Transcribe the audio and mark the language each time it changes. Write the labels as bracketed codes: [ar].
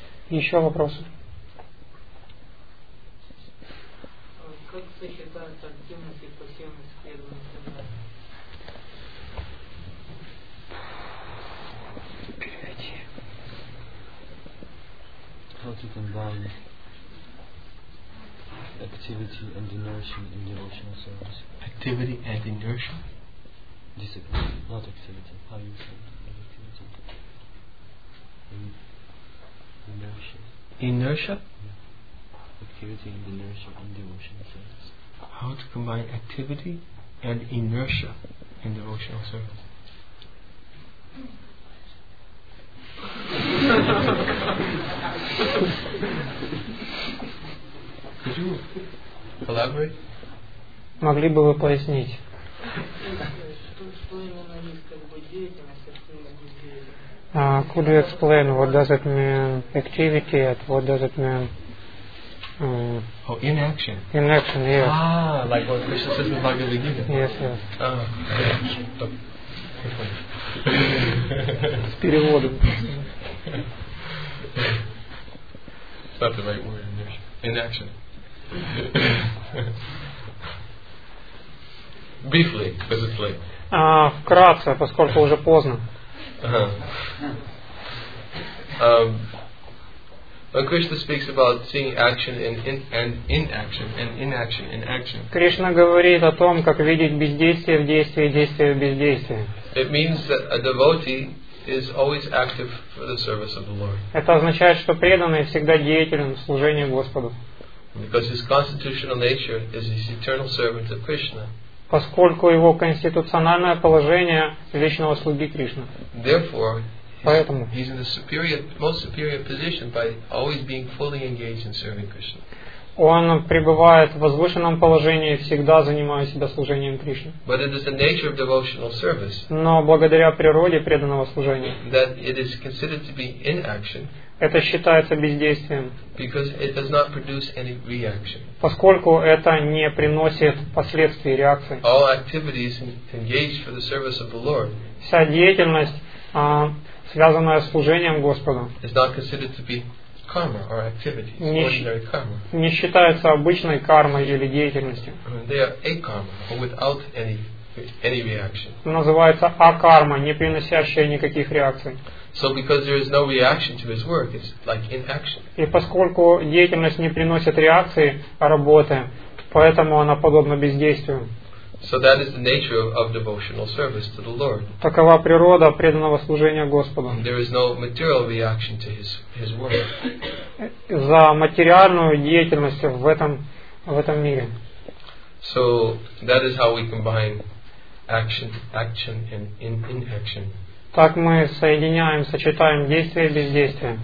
[ru] Еще вопросы? Как сочетается активность и пассивность преданности? Переведи. [en] How to combine activity and inertia in devotional service? Activity and inertia? Discipline, not activity. How you say it? Activity. Inertia. Activity and inertia in devotional service. How to combine activity and inertia in devotional service? Could you elaborate? [ru] Могли бы вы пояснить? Что именно есть деятельность? [en] Could you explain what does it mean activity and what does it mean inaction? Inaction, yes. Ah, like what Krishna says in Bhagavad Gita. Yes, yes. It's not the right word, inaction. Briefly, because it's late. [ru] Вкратце, поскольку уже поздно. [en] When Krishna speaks about seeing action and inaction and inaction in action. [ru] Кришна говорит о том, как видеть бездействие в действии и действие в бездействии. [en] It means that a devotee is always active for the service of the Lord. [ru] Это означает, что преданный всегда деятелен в служении Господу. [en] Because his constitutional nature is his eternal servant of Krishna. [ru] Поскольку его конституциональное положение вечного слуги Кришны. [en] Therefore, [ru] поэтому [en] he's in the most superior position by always being fully engaged in serving Krishna. [ru] Он пребывает в возвышенном положении, всегда занимая себя служением Кришне. [en] But it is the nature of devotional service. [ru] Но благодаря природе преданного служения, [en] that it is considered to be inaction. [ru] Это считается бездействием. [en] Because it does not produce any reaction. [ru] Поскольку это не приносит последствий реакции. [en] All activities engaged for the service of the Lord. [ru] Вся деятельность, связанная с служением Господу, [en] is not considered to be karma or activity. It's ordinary karma. [ru] Не считается обычной кармой или деятельностью. [en] They are akarma, without any reaction. [ru] Называется акарма, не приносящая никаких реакций. [en] So because there is no reaction to his work, it's like inaction. [ru] И поскольку деятельность не приносит реакции работы, поэтому она подобна бездействию. [en] So that is the nature of devotional service to the Lord. [ru] Такова природа преданного служения Господу. [en] There is no material reaction to his work. [ru] За материальную деятельность в этом мире. [en] So that is how we combine action and inaction. [ru] Так мы соединяем, сочетаем действие и бездействие.